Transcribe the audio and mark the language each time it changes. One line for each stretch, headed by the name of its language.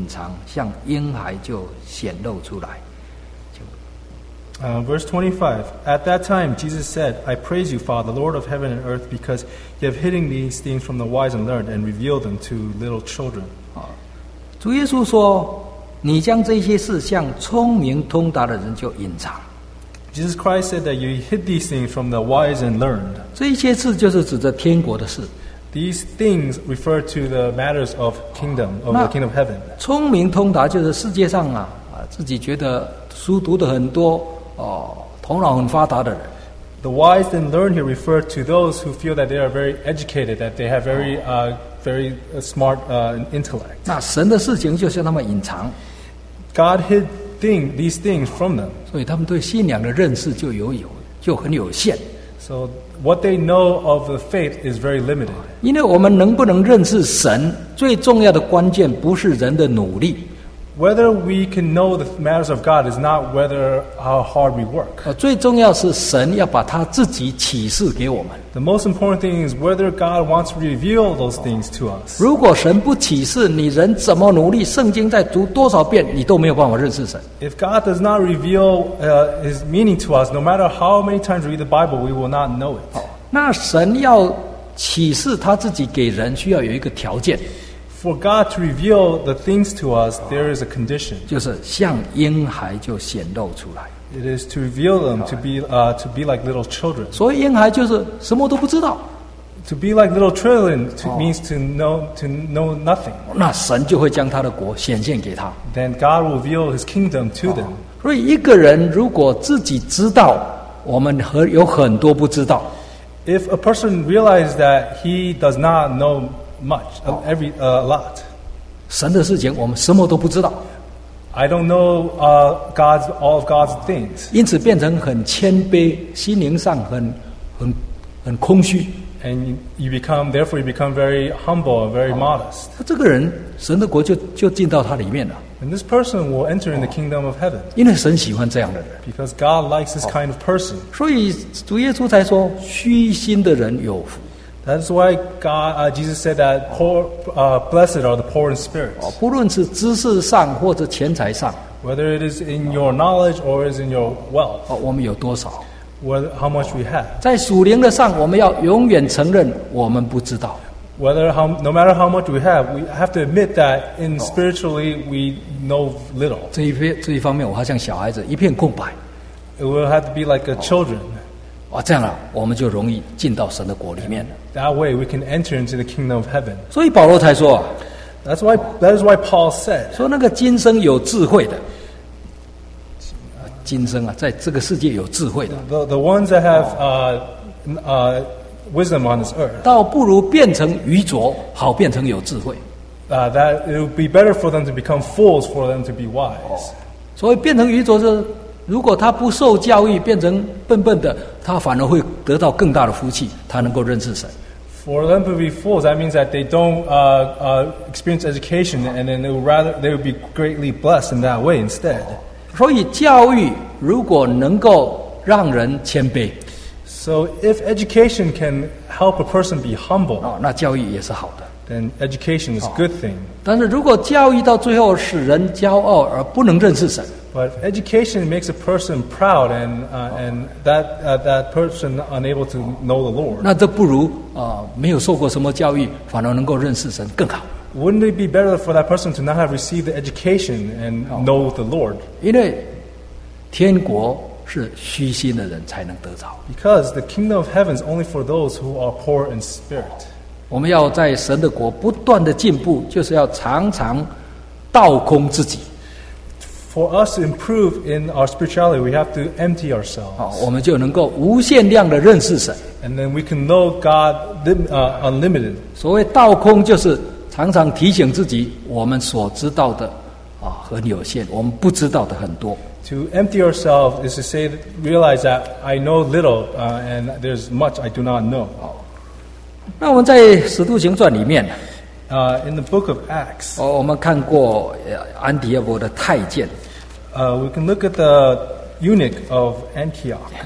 Chinese: 那时耶稣说,父啊,天地的主,我感谢你,因为你将这些事向聪明通达的人就隐藏,向婴孩就显露出来。
English: Verse 25. At that time, Jesus said, I praise you, Father, Lord of heaven and earth, because you have hidden these things from the wise and learned and revealed them to little children.
Chinese: 主耶稣说,你将这些事向聪明通达的人就隐藏。
English: Jesus Christ said that you hid these things from the wise and learned.
Chinese: 这些事就是指着天国的事。
English: These things refer to the matters of kingdom, of the kingdom of heaven.
Chinese: 聪明通达就是世界上啊，自己觉得书读的很多，哦，头脑很发达的人。
English: The wise and learned here refer to those who feel that they are very educated, that they have very, very smart, intellect.
Chinese: 那神的事情就向他们隐藏。
English: God hid these things from them.
Chinese: 所以他们对信仰的认识就很有限。
English: So what they know of the faith is very limited.
Chinese: 因为我们能不能认识神，最重要的关键不是人的努力。
English: Whether we can know the matters of God is not whether how hard we work.
Chinese: 最重要是神要把他自己启示给我们。
English: The most important thing is whether God wants to reveal those things to us.
Chinese: 如果神不启示，你人怎么努力，圣经再读多少遍，你都没有办法认识神。
English: If God does not reveal his meaning to us, no matter how many times we read the Bible, we will not know it.
Chinese: 那神要启示他自己给人，需要有一个条件。
English: For God to reveal the things to us, there is a condition.
Chinese: 就是像婴孩就显露出来。
English: It is to reveal them to be like little children.
Chinese: 所以婴孩就是什么都不知道。
English: To be like little children means to know nothing.
Chinese: 那神就会将他的国显现给他。
English: Then God will reveal His kingdom to them.
Chinese: 所以一个人如果自己知道，我们有很多不知道。
English: If a person realizes that he does not know much, a lot.
Chinese: 神的事情我们什么都不知道。
English: I don't know all of God's things.
Chinese: 因此变成很谦卑，心灵上很空虚。
English: And you become very humble, very modest.
Chinese: 这个人神的国就进到他里面了。
English: And this person will enter in the kingdom of heaven.
Chinese: 因为神喜欢这样的人。
English: Because God likes this kind of person.
Chinese: 所以主耶稣才说，虚心的人有福。
English: That's why Jesus said that blessed are the poor in spirit.
Chinese: 不论是知识上或者钱财上。
English: Whether it is in your knowledge or is in your wealth.
Chinese: 我们有多少。
English: How much we have.
Chinese: 在属灵的上我们要永远承认我们不知道。
English: No matter how much we have to admit that in spiritually we know little.
Chinese: 这一方面我好像小孩子一片空白。
English: It will have to be like a children.
Chinese: 这样我们就容易进到神的国里面了。
English: That way we can enter into the kingdom of heaven.
Chinese: 所以保罗才说
English: That's why Paul said.
Chinese: 说那个今生有智慧的。今生啊，在这个世界有智慧的。
English: The ones that have wisdom on this earth.
Chinese: 倒不如变成愚拙，好变成有智慧。
English: That it would be better for them to become fools for them to be wise.
Chinese: 所以变成愚拙是，如果他不受教育，变成笨笨的。他反而会得到更大的福气，他能够认识神。
English: For them to be fools, that means that they don't experience education, and then they would be greatly blessed in that way instead.
Chinese: 所以教育如果能够让人谦卑
English: ，So if education can help a person be humble,
Chinese: 那教育也是好的。
English: Then education is a good thing.
Chinese: 但是如果教育到最后使人骄傲而不能认识神。
English: But education makes a person proud, and that person unable to know the Lord.
Chinese: 那这不如没有受过什么教育，反而能够认识神更好。
English: Wouldn't it be better for that person to not have received the education and know the Lord?
Chinese: 因为天国是虚心的人才能得着。
English: Because the kingdom of heaven is only for those who are poor in spirit.
Chinese: 我们要在神的国不断的进步，就是要常常倒空自己。
English: For us to improve in our spirituality, we have to empty ourselves.
Chinese: 我们就能够无限量的认识神。
English: And then we can know God unlimited.
Chinese: 所谓倒空就是常常提醒自己，我们所知道的很有限，我们不知道的很多。
English: To empty ourselves is to say, realize that I know little, and there's much I do not know.
Chinese: 那我们在《使徒行传》里面
English: In the book of Acts,
Chinese: 我们看过安提阿伯的太监。
English: We can look at the eunuch of Antioch,